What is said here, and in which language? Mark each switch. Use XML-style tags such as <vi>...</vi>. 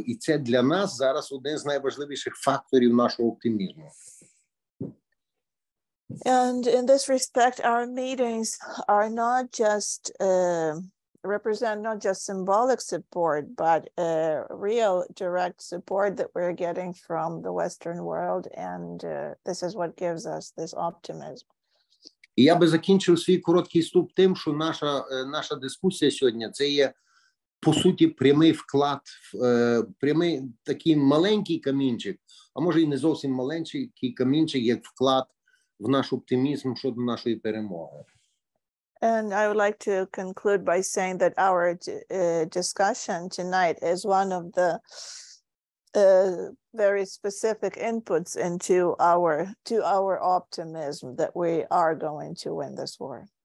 <uk>І це для нас зараз один з найважливіших факторів нашого оптимізму.</uk> <en>And in this respect, our meetings are not just represent not just symbolic support, but real direct support that we're getting from the Western world. And this is what gives us this optimism.</en> <uk>І я би закінчив свій короткий вступ тим, що наша дискусія сьогодні, це є, по суті, прямий вклад, прямий такий маленький камінчик, а може і не зовсім маленький камінчик, як вклад в наш оптимізм щодо нашої перемоги.</uk> <en>And I would like to conclude by saying that our discussion tonight is one of the very specific inputs into our optimism that we are going to win this war.</en>